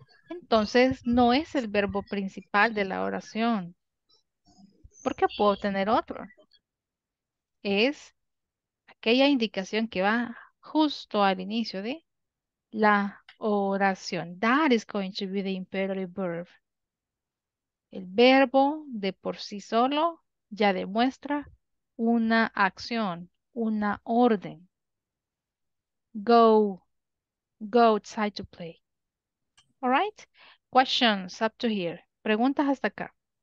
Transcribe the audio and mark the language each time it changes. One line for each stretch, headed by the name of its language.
Spanish: Entonces, no es el verbo principal de la oración. ¿Por qué puedo tener otro? Es aquella indicación que va justo al inicio de la oración.
English: That is going to be the imperative verb.
Spanish: El verbo de por sí solo ya demuestra una acción, una orden.
English: Go, go outside to play. All right? Questions up to here.
Spanish: Preguntas hasta acá.